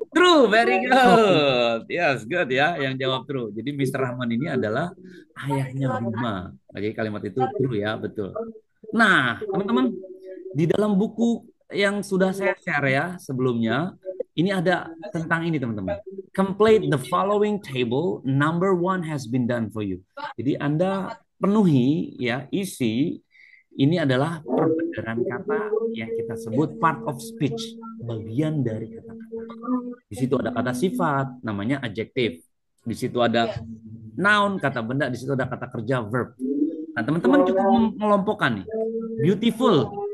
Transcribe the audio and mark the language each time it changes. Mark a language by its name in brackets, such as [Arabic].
[English] True, very good. Yes, good ya, [Indonesian] yang jawab [English] true. Jadi Mr. [Indonesian] Rahman ini adalah ayahnya Bima. Oke, kalimat itu true ya, betul. Nah, teman-teman, di dalam buku yang sudah saya share ya sebelumnya, ini ada tentang ini, teman-teman. [English] Complete the following table, number one has been done for you. [Indonesian] Jadi Anda penuhi ya, isi. Ini adalah perbendaharaan kata yang kita sebut part of speech, bagian dari kata-kata. Di situ ada kata sifat, namanya adjective. Di situ ada noun, kata benda. Di situ ada kata kerja, verb. Nah, teman-teman cukup mengelompokkan nih. Beautiful.